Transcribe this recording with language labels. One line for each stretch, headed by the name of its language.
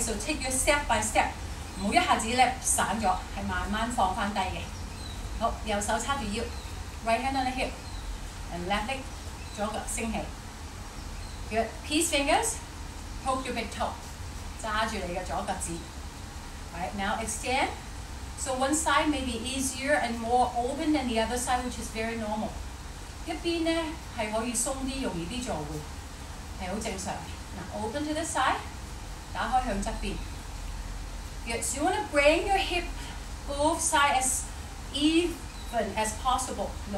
English: So take your step by step. Right hand on the hip and left leg. Good. Peace fingers. Poke your big toe. Right, now extend. So one side may be easier and more open than the other side, which is very normal.
Cantonese: 一邊呢,是可以鬆啲,容易啲做會,係好正常。
English: Open to the side,
Cantonese: 打開向側邊.
English: Good, so you want to bring your hip both sides as even as possible.